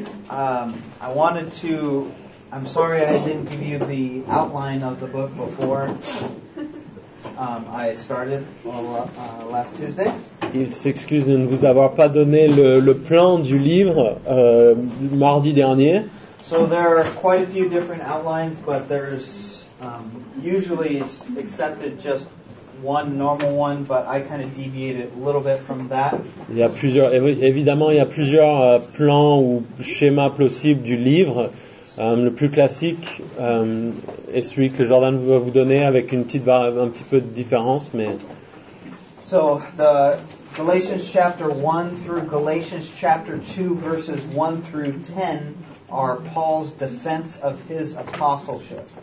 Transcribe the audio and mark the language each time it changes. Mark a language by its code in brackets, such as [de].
[en] I'm sorry I didn't give you the outline of the book before I started last Tuesday. [fr] Il s'excuse de ne vous avoir pas donné le plan du livre mardi dernier. [en] So there are quite a few different outlines, but there's usually accepted just one normal one, but I kind of deviated a little bit from that. [fr] Il y a plusieurs, évidemment, il y a plusieurs plans ou schémas possibles du livre. Le plus classique est celui que Jordan va vous donner avec une petite un petit peu de différence, mais. [en] So the Galatians chapter 1 through Galatians chapter 2 verses 1 through 10 are Paul's defense of his apostleship.